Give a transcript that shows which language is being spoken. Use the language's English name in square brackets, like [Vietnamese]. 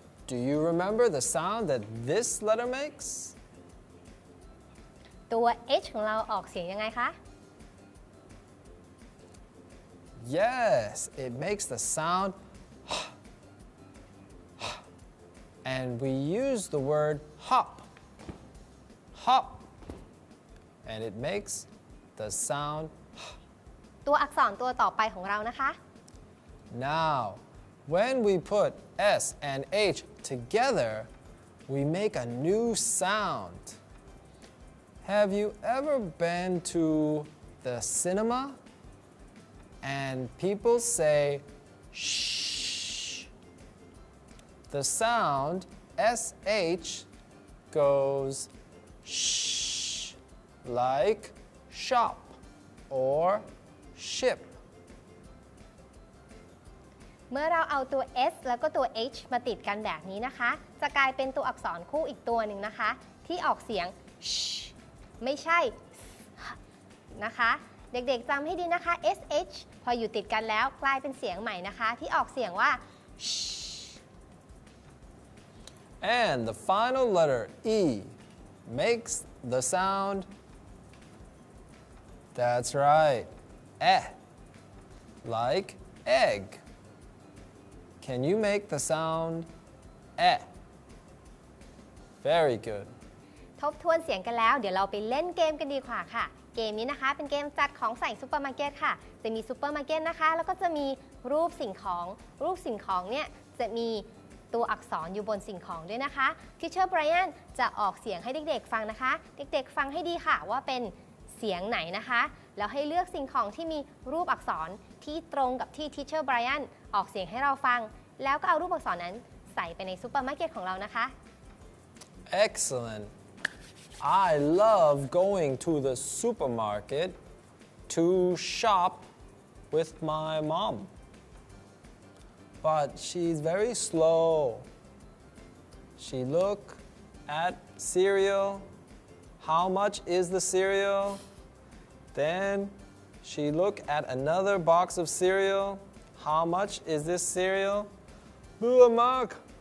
[English] Do you remember the sound that this letter makes? [Thai] ตัว H ของเราออกเสียงยังไงคะ [English] Yes, it makes the soundAnd we use the word hop, hop, and it makes the sound [Thai] ตัวอักษรตัวต่อไปของเรานะคะ [English] Now, when we put S and H together, we make a new sound. Have you ever been to the cinema? And people say, shh, the soundSH goes sh like shop or ship. [Thai] เมื่อเราเอาตัว S แล้วก็ตัว H มาติดกันแบบนี้นะคะจะกลายเป็นตัวอักษรคู่อีกตัวหนึ่งนะคะที่ออกเสียง sh ไม่ใช่นะคะเด็กๆจำให้ดีนะคะ SH พออยู่ติดกันแล้วกลายเป็นเสียงใหม่นะคะที่ออกเสียงว่า sh [English] And the final letter, E, makes the sound, that's right, eh, like egg. Can you make the sound, eh? Very good. [Thai] ทบทวนเสียงกันแล้วเดี๋ยวเราไปเล่นเกมกันดีกว่าค่ะเกมนี้นะคะเป็นเกมจัดของใส่ซุปเปอร์มาร์เก็ตค่ะจะมีซุปเปอร์มาร์เก็ตนะคะแล้วก็จะมีรูปสิ่งของเนี่ยจะมีตัวอักษรอยู่บนสิ่งของด้วยนะคะที่เชิญไบรอันจะออกเสียงให้เด็กๆฟังนะคะเด็กๆฟังให้ดีค่ะว่าเป็นเสียงไหนนะคะแล้วให้เลือกสิ่งของที่มีรูปอักษรที่ตรงกับที่ทีเชอร์ไบรอันออกเสียงให้เราฟังแล้วก็เอารูปอักษรนั้นใส่ไปในซูเปอร์มาร์เก็ตของเรานะคะ [English] Excellent I love going to the supermarket to shop with my mom but she's very slow she look at cereal how much is the cereal then she look at another box of cereal how much is this cereal blue mark